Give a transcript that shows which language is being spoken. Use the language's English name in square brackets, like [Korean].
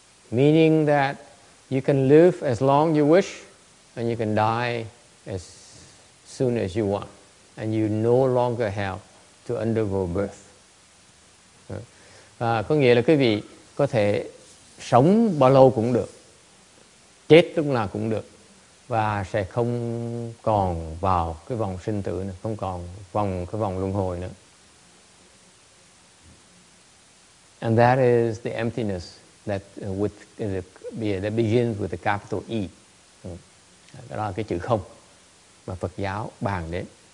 [English] Meaning that you can live as long as you wish and you can die as soon as you want. And you no longer have to undergo birth. [Vietnamese] À, có nghĩa là quý vị có thể sống bao lâu cũng được, chết lúc nào cũng được, và sẽ không còn vào cái vòng sinh tử nữa, không còn vòng cái vòng luân hồi nữa. [English] And that is the emptiness that with that begins with the capital E. [Vietnamese] Đó là cái chữ không mà Phật giáo bàn đến.